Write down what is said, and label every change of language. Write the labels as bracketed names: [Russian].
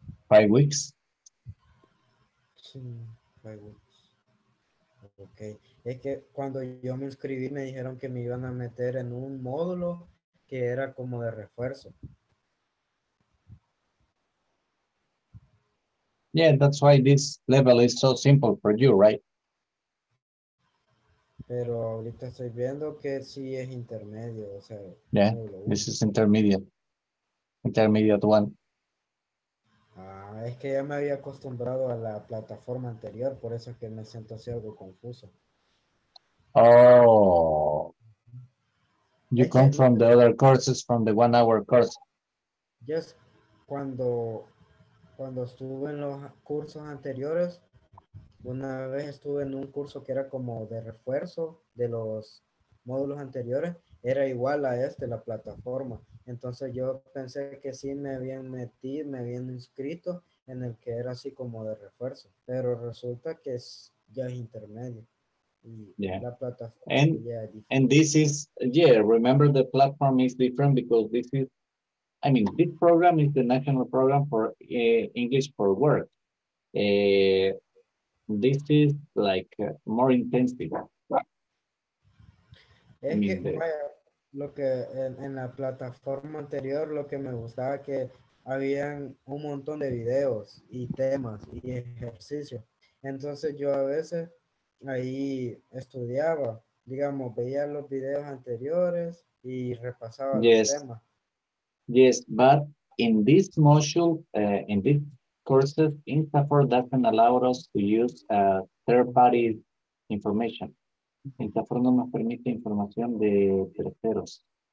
[English] 5 weeks. Sí, 5 weeks. Okay. [Spanish] Es que cuando yo me inscribí me dijeron que me iban a meter en un módulo que era como de refuerzo. [English] Yeah, that's why this level is so simple for you, right? [Spanish] Pero ahorita estoy viendo que sí es intermedio, o sea. [English] Yeah, this is intermediate. Intermediate one. [Spanish] Es que ya me había acostumbrado a la plataforma anterior, por eso es que me siento así algo confuso. Oh. [English] You come from the other courses, from the 1 hour course. [Spanish] Yes, cuando estuve en los cursos anteriores, una vez estuve en un curso que era como de refuerzo de los módulos anteriores era igual a este, la plataforma. Entonces yo pensé que sí me habían metido, me habían inscrito en el que era así como de refuerzo, pero resulta que es, ya es intermedio. [English] And this is, yeah, remember the platform is different because this is, I mean, this program is the national program for English for work. This is like more intensive. [Spanish] Es que lo que en la plataforma anterior, lo que me gustaba que habían un montón de videos y temas y ejercicios. Entonces yo a veces ahí estudiaba, digamos, veía los videos anteriores y repasaba los temas. [English] Yes, but in this module, in this courses, InstaFor doesn't allow us to use third party information. [Spanish] InstaFor no nos permite información de terceros.